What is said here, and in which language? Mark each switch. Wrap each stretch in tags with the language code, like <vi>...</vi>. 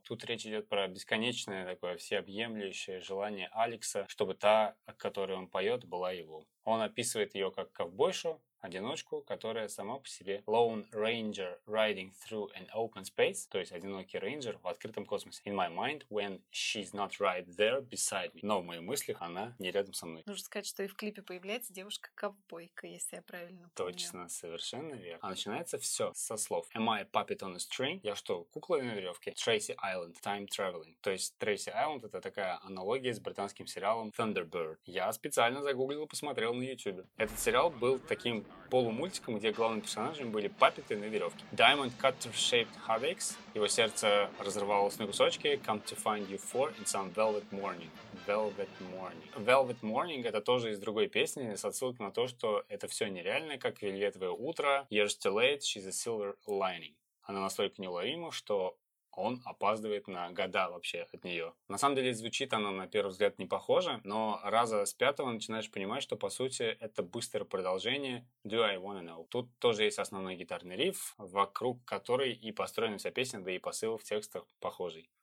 <ru>Тут речь идет про бесконечное такое всеобъемлющее желание Алекса, чтобы та, о которой он поет, была его. Он описывает ее как ковбойшу, одиночку, которая сама по себе</ru> <en>Lone Ranger riding through an open space,</en> <ru>то есть одинокий рейнджер в открытом космосе.</ru> <en>In my mind, when she's not right there beside me.</en> <ru>Но в моих мыслях она не рядом со мной. Нужно сказать, что и в клипе появляется девушка-ковбойка, если я правильно помню. Точно, совершенно верно. А начинается все со слов</ru> <en>Am I a puppet on a string?</en> <ru>Я что, кукла на веревке?</ru> <en>Tracy Island, time traveling.</en> <ru>То есть Tracy Island — это такая аналогия с британским сериалом Thunderbird. Я специально загуглил и посмотрел на YouTube. Этот сериал был таким полумультиком, где главным персонажем были паппеты на веревке.</ru> <en>Diamond Cutter Shaped Heartaches.</en> <ru>Его сердце разрывалось на кусочки.</ru> <en>Come to find you four in some velvet morning. Velvet Morning.</en> <ru>Velvet Morning — это тоже из другой песни, с отсылкой на то, что это все нереально, как вельветовое утро.</ru> <en>Years too late, she's a silver lining.</en> <ru>Она настолько неуловима, что он опаздывает на года вообще от нее. На самом деле звучит она на первый взгляд не похоже, но раза с пятого начинаешь понимать, что по сути это быстрое продолжение Do I Wanna Know. Тут тоже есть основной гитарный риф, вокруг которой и построена вся песня, да и посыл в текстах похожий.</ru>